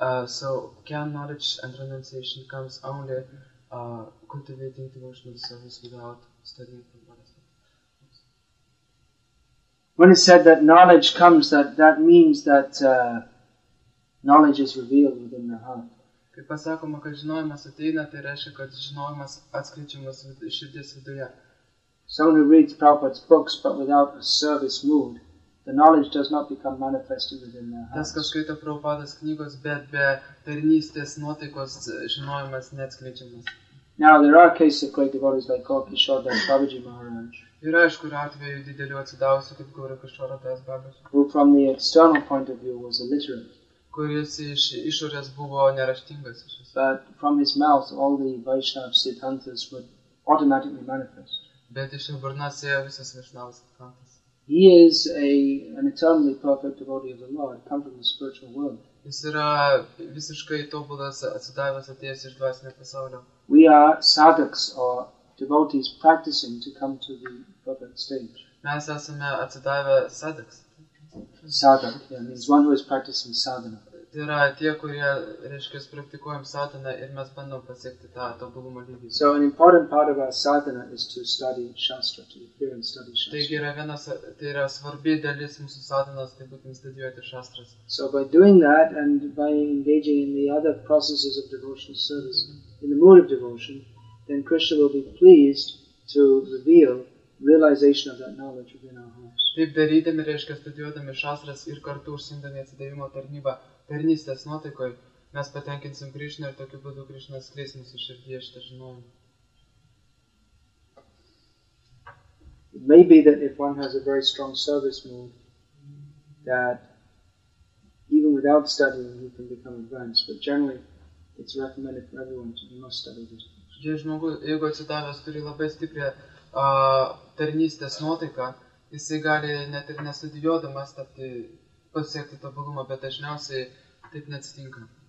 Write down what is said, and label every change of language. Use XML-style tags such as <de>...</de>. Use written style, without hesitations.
<en>So can knowledge and renunciation comes only cultivating devotional service without studying Prabhupada's books? When it's said that knowledge comes, that means that knowledge is revealed within the heart.</en> <lt>Kaip pasakoma, kad žinojimas ateina, tai reiškia, kad žinojimas atskleidžiamas širdies viduje.</lt> <en>Someone who reads Prabhupada's books but without a service mood, the knowledge does not become manifested within their hearts.</en> <lt>Tas, kas skaito Prabhupada's knygos, bet be tarnystės nuotaikos žinojimas neatskleidžiamas.</lt> <en>Now, there are cases of great devotees like Gaura Kishora Das Babaji Maharaj.</en> <lt>Yra, aišku, atveju didelių atsidavusių, kaip Gaura Kishora Das Babaji.</lt> <en>Who, from the external point of view, was illiterate.</en> <lt>Kuris iš išorės buvo neraštingas.</lt> <en>But from his mouth, all the Vaishnav Siddhantas would automatically manifest.</en> <lt>Bet iš jo burnos ėjo visas Vaishnavas Siddhantas.</lt> <en>He is an eternally perfect devotee of the Lord, come from the spiritual world.</en> <lt>Jis yra visiškai tobulas atsidavęs atėjęs iš dvasinio pasaulio.</lt> <en>We are sadhaks or devotees practicing to come to the perfect stage.</en> <lt>Mes esame atsidavę sadhaks.</lt> <en>Sadhak, yeah, means one who is practicing sadhana.</en> <lt>Tai yra tie, kurie, reiškia, praktikuojam sadhana ir mes bandom pasiekti tą tobulumo lygį.</lt> <en>So an important part of our sadhana is to study shastra, to appear and study shastra.</en> <lt>Tai yra svarbi dalis mūsų sadhanas, tai būtent studijuoti šastras.</lt> <en>So by doing that and by engaging in the other processes of devotional service, in the mood of devotion, then Krishna will be pleased to reveal realization of that knowledge within our hearts.</en> <lt>Taip darydami, reiškia, studijuodami šastras ir kartu užsiimdami atsidavimo tarnybą tarnystės nuotaikoj, mes patenkinsim Krišną ir tokiu būdu Krišna skleis mūsų širdyje šitą žinojimą.</lt> <en>It may be that if one has a very strong service mood, that even without studying he can become advanced, but generally it's recommended for everyone to must study this.</en> <lt>Jeigu atsidavęs turi labai stiprią tarnystės nuotaiką, jisai gali net ir nestudijuodamas tapti pasiekti tobulumą, bet dažniausiai taip neatsitinka.</lt>